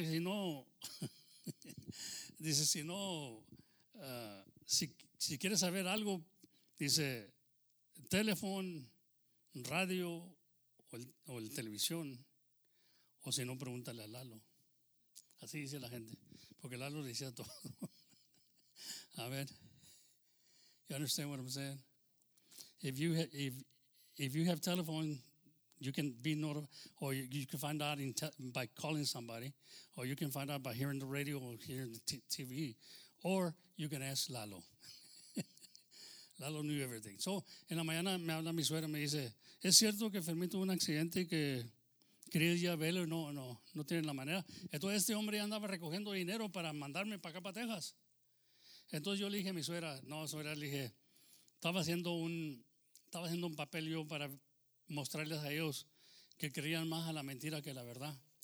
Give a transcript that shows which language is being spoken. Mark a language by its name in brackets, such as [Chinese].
[Spanish] Que si no, dice, si no, si quieres saber algo, dice, teléfono, radio o el televisión, o si no, pregúntale a Lalo. Así dice la gente, porque Lalo le decía todo. A ver. [English] You understand what I'm saying? If you have telephone, you can be notified, or you can find out by calling somebody, or you can find out by hearing the radio or hearing the TV, or you can ask Lalo. Lalo knew everything. [Spanish] So, en la mañana me habla mi suegra, me dice, ¿es cierto que Fermín tuvo un accidente y que quería ir a verlo? No tienen la manera. Entonces este hombre andaba recogiendo dinero para mandarme para acá, para Texas. Entonces yo le dije a mi suegra, estaba haciendo un papel yo para mostrarles a ellos que creían más a la mentira que a la verdad.